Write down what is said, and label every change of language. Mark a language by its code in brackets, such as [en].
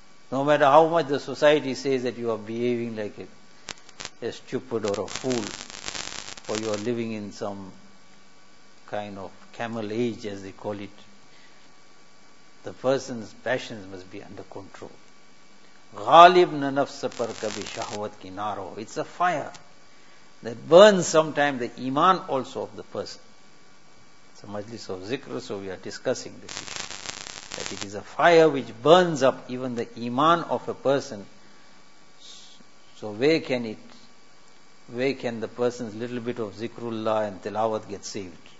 [en] No matter how much the society says that you are behaving like a stupid or a fool, or you are living in some kind of camel age, as they call it, the person's passions must be under control. [ur] غالب ننفس پر کبھی شہوت کی نار ہو. [en] It's a fire that burns sometimes the iman also of the person. It's a majlis of zikr, so we are discussing this issue. That it is a fire which burns up even the iman of a person. So where can the person's little bit of zikrullah and tilawat get saved?